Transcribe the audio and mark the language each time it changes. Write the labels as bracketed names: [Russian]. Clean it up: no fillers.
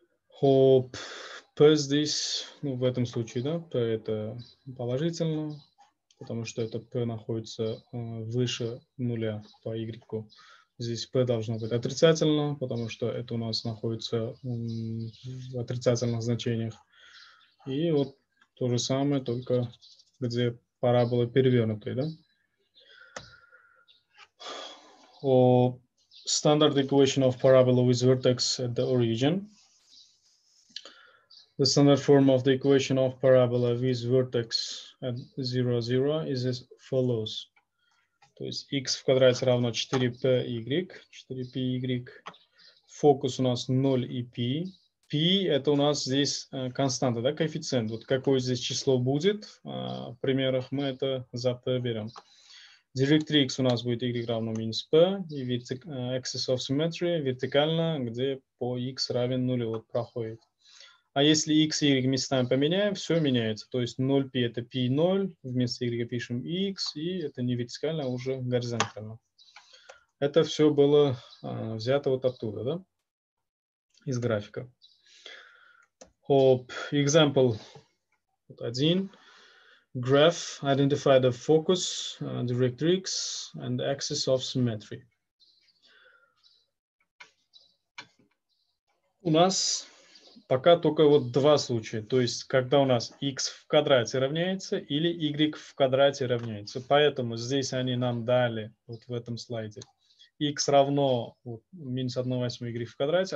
[Russian] Хоп. P здесь, ну, в этом случае, да, P это положительно, потому что это P находится выше нуля по Y. Здесь P должно быть отрицательно, потому что это у нас находится в отрицательных значениях. И вот то же самое, только где парабола перевернутая, да? [English] О, standard equation of parabola with vertex at the origin. The standard form of the equation of parabola with vertex at 0, 0 is as follows. [Russian] То есть x в квадрате равно 4py, 4py. Фокус у нас 0 и пи. Пи – это у нас здесь константа, да, коэффициент. Вот какое здесь число будет, в примерах мы это завтра берем. Директрикс у нас будет y равно минус p, и [English] axis of symmetry [Russian] вертикально, где по x равен 0, вот проходит. А если x и y местами поменяем, все меняется. То есть 0π – это π0, вместо y пишем x, и это не вертикально, а уже горизонтально. Это все было взято вот оттуда, да? Из графика. Оп, [English] example 1. Graph, identify the focus, directrix, and axis of symmetry. [Russian] У нас пока только вот два случая. То есть, когда у нас x в квадрате равняется или y в квадрате равняется. Поэтому здесь они нам дали, вот в этом слайде, x равно вот, минус 1 восьмая y в квадрате.